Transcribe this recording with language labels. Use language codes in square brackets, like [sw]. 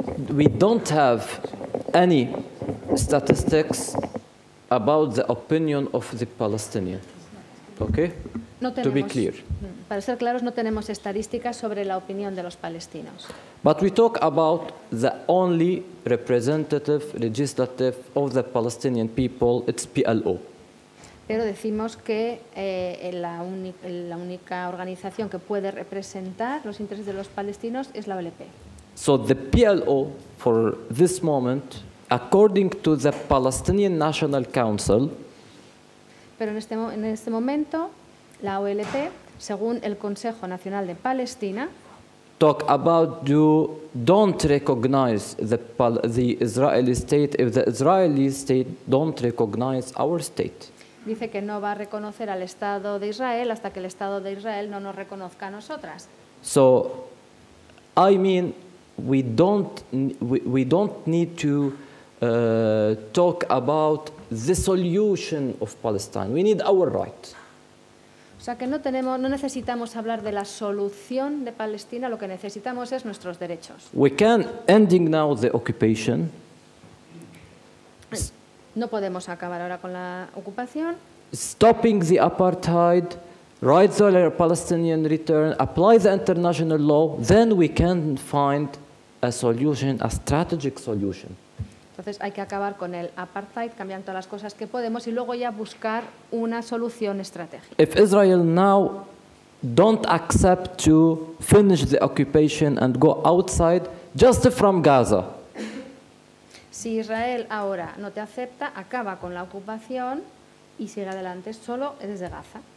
[en] We don't have any statistics about the opinion of the Palestinians. Okay? [es] No tenemos, [en] to be clear. [es] Para ser claros, no tenemos estadísticas sobre la opinión de los palestinos. [en] But we talk about the only representative legislative of the Palestinian people, it's PLO. [es] Pero decimos que la única organización que puede representar los intereses de los palestinos es la OLP. [en] So the PLO for this moment, according to the Palestinian National Council. [es] Pero en este momento, la OLP, según el Consejo Nacional de Palestina, [en] talk about you don't recognize the Israeli state if the Israeli state don't recognize our state. [es] Dice que no va a reconocer al Estado de Israel hasta que el Estado de Israel no nos reconozca a nosotras. [en] So, I mean, we don't need to talk about the solution of Palestine. We need our right. [es] O sea que no necesitamos hablar de la solución de Palestina. Lo que necesitamos es nuestros derechos. [en] We can ending now the occupation. [es] No podemos acabar ahora con la ocupación. [en] Stopping the apartheid, rights of the Palestinian return, apply the international law, then we can find a solution, a strategic solution. [es] Entonces hay que acabar con el apartheid, cambiando todas las cosas que podemos y luego ya buscar una solución estratégica. [en] If Israel now don't accept to finish the occupation and go outside, just from Gaza. [es] Si Israel ahora no te acepta, acaba con la ocupación y sigue adelante solo desde Gaza.